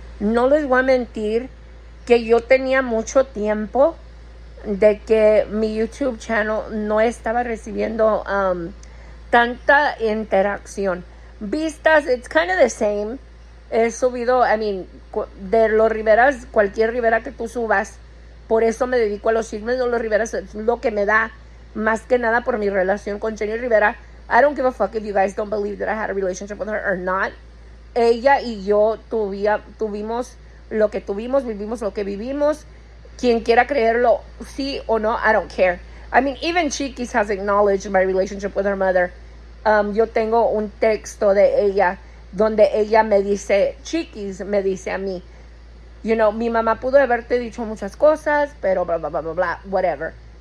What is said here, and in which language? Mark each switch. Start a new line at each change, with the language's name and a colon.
Spanish: No les voy a mentir que yo tenía mucho tiempo de que mi YouTube channel no estaba recibiendo tanta interacción. Vistas,
English: it's kind of the same.
Spanish: He subido,
English: I mean,
Spanish: de los Riveras, cualquier Rivera que tú subas, por eso me dedico a los chismes de los Riveras, es lo que me da, más que nada por mi relación con Jenny Rivera.
English: I don't give a fuck if you guys don't believe that I had a relationship with her or not.
Spanish: Ella y yo tuvimos lo que tuvimos, vivimos lo que vivimos. Quien quiera creerlo, sí o no,
English: I don't care. I mean, even Chiquis has acknowledged my relationship with her mother.
Spanish: Yo tengo un texto de ella donde ella me dice, Chiquis me dice a mí,
English: you know,
Spanish: mi mamá pudo haberte dicho muchas cosas, pero bla, bla, bla, bla, bla,
English: whatever.